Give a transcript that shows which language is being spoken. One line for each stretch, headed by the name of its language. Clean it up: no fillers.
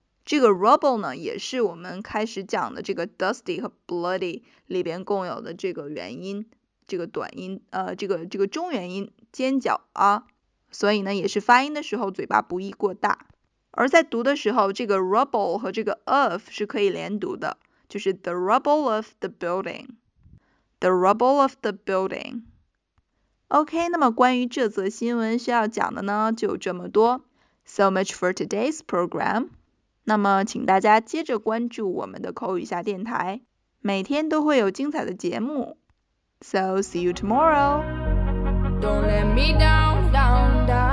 Chinese: 这个 rubble 呢也是我们开始讲的这个 dusty 和 bloody 里边共有的这个元音，这个短音这个中元音尖角啊，所以呢也是发音的时候嘴巴不宜过大。而在读的时候，这个 rubble 和这个 of 是可以连读的，就是
English: the rubble of the building. The rubble of the building.
Chinese: OK, 那么关于这则新闻需要讲的呢就这么多。
English: So much for today's program.
Chinese: 那么请大家接着关注我们的口语下电台。每天都会有精彩的节目。
English: So, see you tomorrow. Don't let me down, down, down.